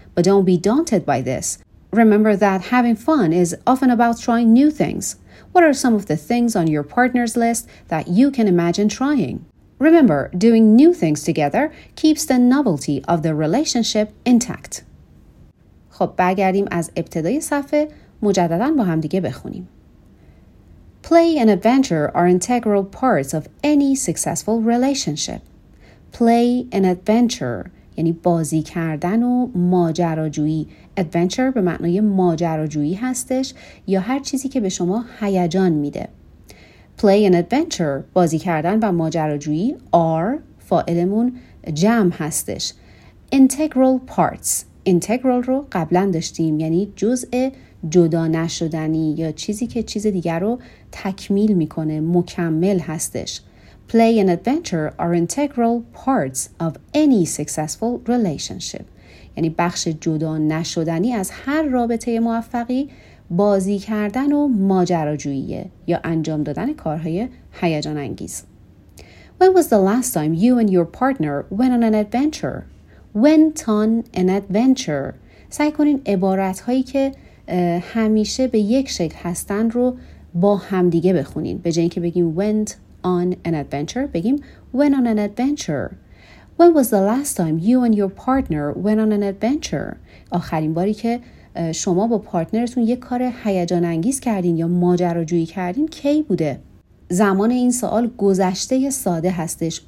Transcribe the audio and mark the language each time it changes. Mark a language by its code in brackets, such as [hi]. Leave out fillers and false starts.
[en] But don't be daunted by this. Remember that having fun is often about trying new things. What are some of the things on your partner's list that you can imagine trying? Remember, doing new things together keeps the novelty of the relationship intact. [fa] خب برگردیم از ابتدای صفحه مجدداً با هم دیگه بخونیم. [en] Play and adventure are integral parts of any successful relationship. Play and adventure [fa] یعنی بازی کردن و ماجراجویی. Adventure به معنای ماجراجویی هستش یا هر چیزی که به شما هیجان میده. [en] Play and adventure [fa] بازی کردن و ماجراجویی [en] are [fa] فاعلمون جمع هستش. [en] Integral parts integral [fa] رو قبلا داشتیم یعنی جزء جدا نشدنی یا چیزی که چیز دیگر رو تکمیل میکنه مکمل هستش. [en] Play and adventure are integral parts of any successful relationship. [fa] یعنی بخش جدا نشدنی از هر رابطه موفقی بازی کردن و ماجراجوییه یا انجام دادن کارهای هیجان انگیز. [en] When was the last time you and your partner went on an adventure? Went on an adventure. [fa] سعی کنین عبارتهایی که همیشه به یک شکل هستن رو با همدیگه بخونین. به جای اینکه بگیم [en] went on an adventure [fa] بگیم went on an adventure. [en] When was the last time you and your partner went on an adventure؟ [fa] آخرین باری که شما با پارتنرتون یک کار هیجان انگیز کردین یا ماجراجویی کردین کی بوده؟ زمان این سوال گذشته ساده هستش.